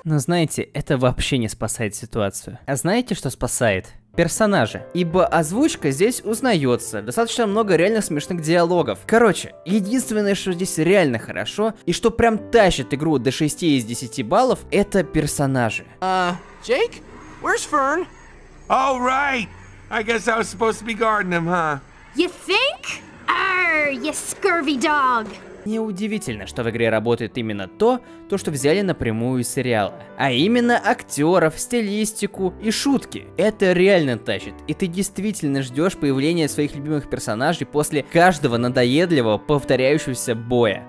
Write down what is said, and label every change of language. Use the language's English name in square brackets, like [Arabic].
[Russian] Но знаете, это вообще не спасает ситуацию. А знаете, что спасает? Персонажи. Ибо озвучка здесь узнается, достаточно много реально смешных диалогов. Короче, единственное, что здесь реально хорошо, и что прям тащит игру до 6 из 10 баллов, это персонажи. [English] Джейк? Where's Fern? Oh, right! I guess I was supposed to be guarding him, huh? You think? Arr, you scurvy dog! [Russian] Неудивительно, что в игре работает именно то, что взяли напрямую из сериала. А именно актеров, стилистику и шутки. Это реально тащит, и ты действительно ждешь появления своих любимых персонажей после каждого надоедливого повторяющегося боя.